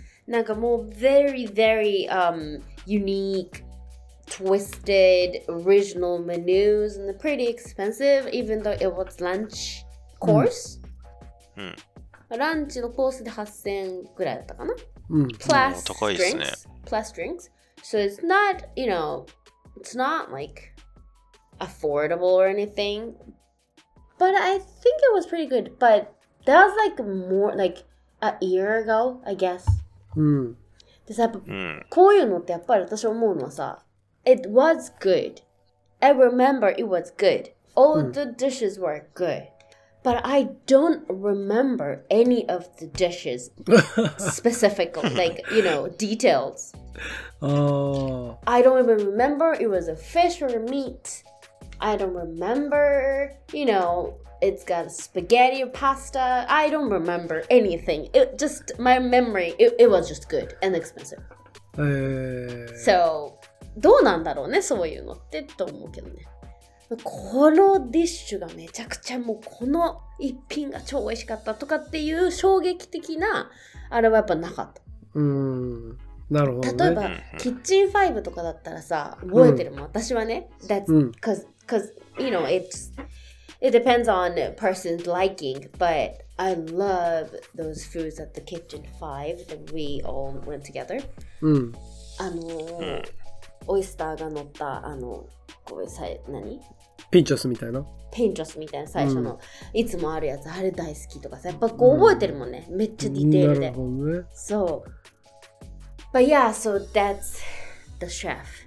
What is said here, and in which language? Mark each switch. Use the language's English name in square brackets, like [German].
[Japanese] なんかもう [English] very very unique, twisted, original menus and pretty expensive even though it was lunch course、うん、 [Japanese] ランチのコースで8000ぐらいだったかな、うん、 [English] plus drinks, plus drinks, so it's not, you know, it's not like affordable or anything, but I think it was pretty good, butThat was like more like a year ago, I guess. [Japanese] でさ、やっぱ、こういうのってやっぱり私思うのはさ、 [English] It was good. I remember it was good. All the dishes were good. But I don't remember any of the dishes specifically, like, you know, details. I don't even remember it was a fish or a meat. I don't remember, you know,It's got spaghetti or pasta. I don't remember anything. It just, my memory, it was just good and expensive. [Japanese] So, どうなんだろうね、そういうのってと思うけどね。このディッシュがめちゃくちゃもうこの一品が超美味しかったとかっていう衝撃的なあれはやっぱなかった。なるほどね。例えば、キッチンファイブとかだったらさ、覚えてるもん、私はね。 [English] That's because, you know, It depends on a person's liking, but I love those foods at the Kitchen 5 that we all went together. うん。 [Japanese] オイスターが乗った、あの、ごめんなさい、何？ピンチョスみたいな。ピンチョスみたいな最初の、うん、いつもあるやつ、あれ大好きとかさ、やっぱこう覚えてるもんね、うん、めっちゃディテールで。なるほどね。 [English] そう。But yeah, so that's the chef.